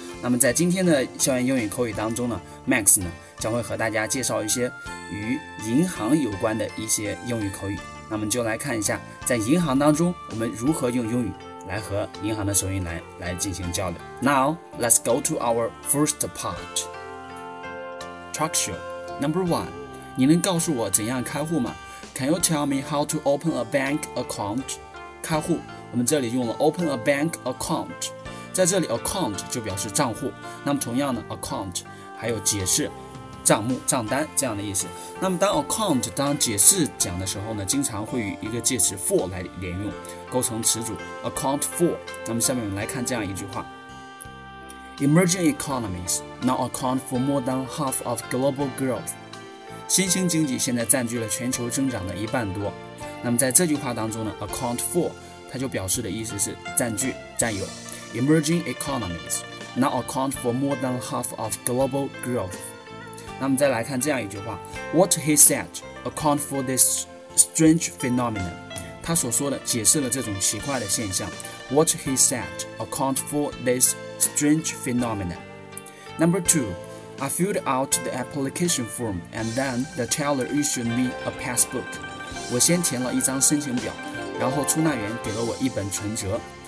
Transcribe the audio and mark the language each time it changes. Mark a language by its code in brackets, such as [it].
[zh] 那么在今天的校园英语口语当中呢 ，Max 呢将会和大家介绍一些与银行有关的一些英语口语。那么就来看一下，在银行当中我们如何用英语来和银行的收银员来进行交流。 [en] Now, let's go to our first part. Structure. Number one, [zh] 你能告诉我怎样开户吗 [en] ?Can you tell me how to open a bank account? [zh] 开户，我们这里用了 [en] open a bank account. [zh] 在这里 account 就表示账户。那么同样的 account 还有解释账目、账单这样的意思。那么当 account 当解释讲的时候呢，经常会与一个介词 for 来连用，构成词组 account for。那么下面我们来看这样一句话 [en] ：Emerging economies now account for more than half of global growth。 [zh] 新兴经济现在占据了全球增长的一半多。那么在这句话当中呢 ，account for 它就表示的意思是占据、占有。 [en] Emerging economies now account for more than half of global growth。 [zh] 那么再来看这样一句话 [en] What he said account for this strange phenomenon [zh] 他所说的解释了这种奇怪的现象 What he said account for this strange phenomenon [en] Number two I filled out the application form and then the teller issued me a passbook [zh] 我先填了一张申请表然后出纳员给了我一本存折